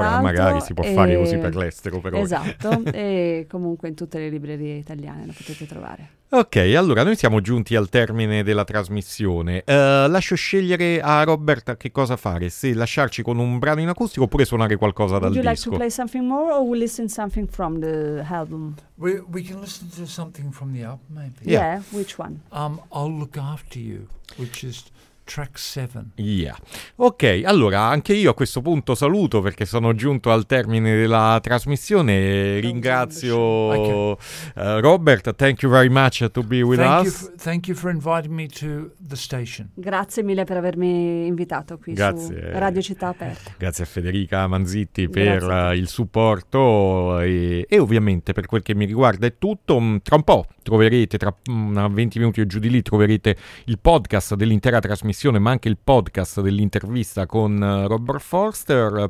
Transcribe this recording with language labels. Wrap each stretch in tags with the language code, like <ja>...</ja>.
<it>Allora magari si può fare così per l'estero, però. Esatto, e comunque in tutte le librerie italiane lo potete trovare. Ok, allora noi siamo giunti al termine della trasmissione. Lascio scegliere a Roberta che cosa fare, se lasciarci con un brano in acustico oppure suonare qualcosa dal disco.</it> <en>like to play something more or we'll listen something from the album? We can listen to something from the album, maybe. Yeah, which one? I'll Look After You, which is track 7. Yeah.</en> <it>Ok, allora anche io a questo punto saluto perché sono giunto al termine della trasmissione. Ringrazio</it> <en>Robert, thank you very much to be with us. Thank you for inviting me to the station.</en> <it>Grazie mille per avermi invitato qui. Grazie. Su Radio Città Aperta. Grazie a Federica Manzitti per il supporto e ovviamente per quel che mi riguarda è tutto. Tra un po' troverete tra 20 minuti o giù di lì, troverete il podcast dell'intera trasmissione, ma anche il podcast dell'intervista con Robert Forster.</it>